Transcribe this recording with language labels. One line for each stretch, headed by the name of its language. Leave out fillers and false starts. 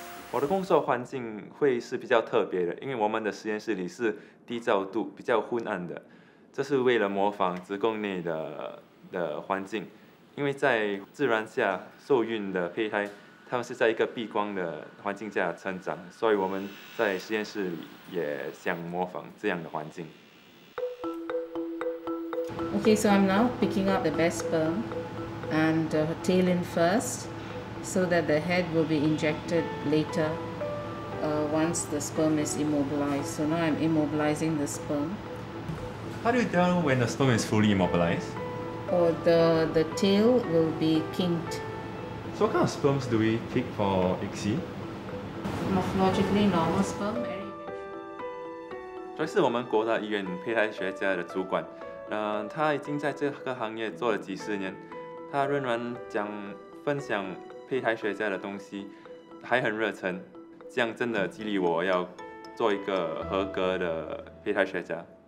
Chinese: 我的工作环境会是比较特别的，因为我们的实验室里是低照度、比较昏暗的，这是为了模仿子宫内的环境。因为在自然下受孕的胚胎，他们是在一个避光的环境下成长，所以我们在实验室里也想模仿这样的环境。
English: Okay, so I'm now picking up the best sperm and the tail in first, so that the head will be injected later, once the sperm is immobilized. So now I'm immobilizing the sperm. How do you tell when the sperm is fully immobilized? Or the tail will be kinked. So what kind of sperms do we pick for ICSI? Morphologically normal sperm.
Chinese: 这是我们国大医院胚胎学家的主管，他已经在这个行业做了几十年，他仍然讲分享胚胎学家的东西，还很热忱，这样真的激励我要做一个合格的胚胎学家。